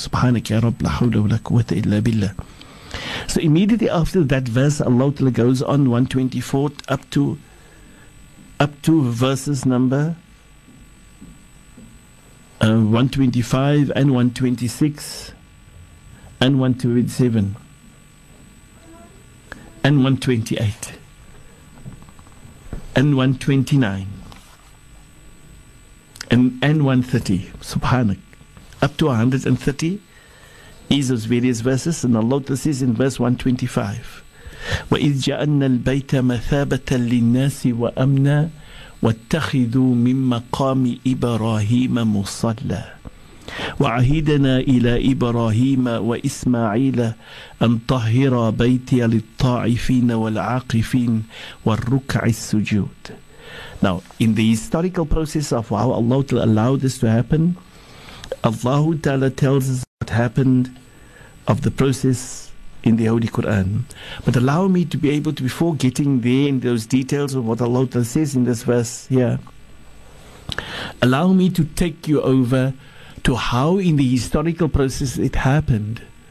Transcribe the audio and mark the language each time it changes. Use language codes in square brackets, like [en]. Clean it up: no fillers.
[ar] Subhanaka ya Rabb, la hawla wa la quwwata illa billah. [en] So immediately after that verse, Allah Ta'ala goes on 124 up to verses number 125 and 126 and 127 and 128 and 129. And 130, subhanak, up to 130 is those various verses. And Allah says in verse 125, [ar] وَإِذْ جَعَلْنَا الْبَيْتَ مَثَابَةً لِلنَّاسِ وَأَمْنًا وَاتَّخِذُوا مِنْ مَقَامِ إِبْرَاهِيمَ مُصَلًّى وَعَهِدْنَا إِلَى إِبْرَاهِيمَ وَإِسْمَاعِيلَ أَنْ طَهِّرَا بَيْتِيَ لِلطَّائِفِينَ وَالْعَاقِفِينَ وَالرُّكَعِ السُّجُودِ. [en] Now, in the historical process of how Allah Ta'ala allowed this to happen, Allah Ta'ala tells us what happened of the process in the Holy Quran. But allow me to be able to, before getting there in those details of what Allah Ta'ala says in this verse here, allow me to take you over to how in the historical process it happened.